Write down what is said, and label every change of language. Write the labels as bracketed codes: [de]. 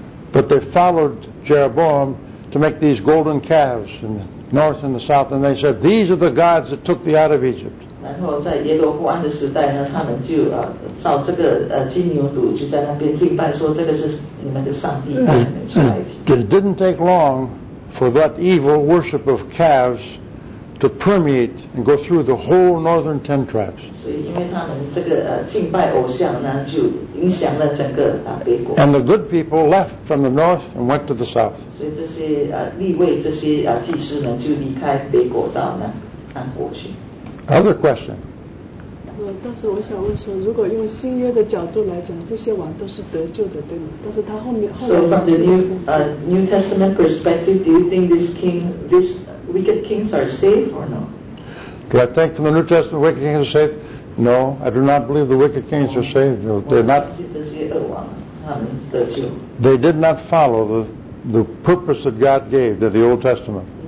[en] But they followed Jeroboam to make these golden calves in the north and the south, and they said, these are the gods that took thee out of Egypt. [zh] 然后在耶罗波安的时代呢，他们就造这个金牛犊，就在那边敬拜，说这个是你们的上帝带你们出埃及。 [en] It didn't take long for that evil worship of calves to permeate and go through the whole northern 10 tribes. [zh] 所以因为他们这个敬拜偶像呢，就影响了整个北国。 [en] And the good people left from the north and went to the south. [zh] 所以这些立位这些祭司们就离开北国到南国去。 [en] Other question. [zh] 但是我想问说，如果用新约的角度来讲，这些王都是得救的，对吗？但是他后面后来。 [en] So from the New Testament perspective, do you think these wicked kings are safe or no? Do I think from the New Testament wicked kings are safe? No, I do not believe the wicked kings are saved. They're not. [zh] 这些恶王他们得救。 [en] They did not follow the purpose that God gave to the Old Testament.